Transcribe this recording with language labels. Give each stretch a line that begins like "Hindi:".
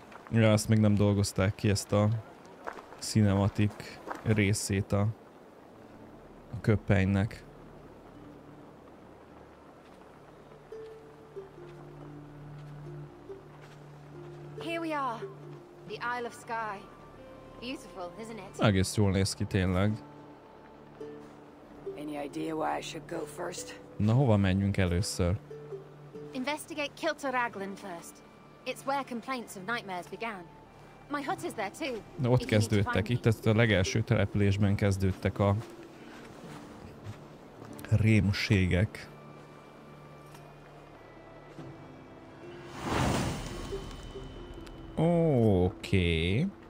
Hungarian: Ja, azt még nem dolgozták ki, ezt a cinematic részét a köpenynek.
English: Here we are, the Isle of Skye. Beautiful, isn't it?
Hungarian: Egész jól néz ki tényleg.
English: Any idea why I should go first?
Hungarian: Na, hova menjünk először?
English: Investigate Kilter Raglan first. It's where complaints of nightmares began. My hut is there too.
Hungarian: Na, ott kezdődtek. Itt ezt a legelső településben kezdődtek a rémségek. Oké.